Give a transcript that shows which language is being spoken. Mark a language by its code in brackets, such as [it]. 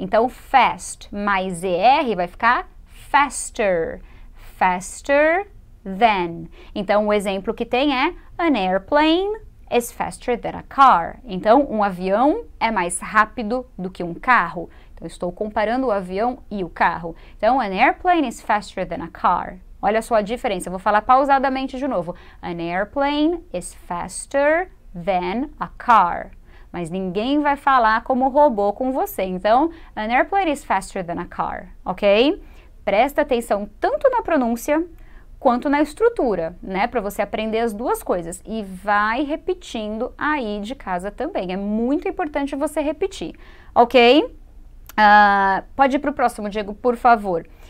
[pt] Então, fast mais er vai ficar faster, faster than. Então, o exemplo que tem é [en] an airplane is faster than a car. [pt] Então, um avião é mais rápido do que um carro. Então, estou comparando o avião e o carro. [en] Então, an airplane is faster than a car. [pt] Olha só a diferença. Eu vou falar pausadamente de novo. [en] An airplane is faster than a car. [pt] Mas ninguém vai falar como robô com você. [en] Então, an airplane is faster than a car. Ok? [pt] Presta atenção tanto na pronúncia quanto na estrutura, né? Para você aprender as duas coisas. E vai repetindo aí de casa também. É muito importante você repetir. Ok? Pode ir para o próximo, Diego, por favor.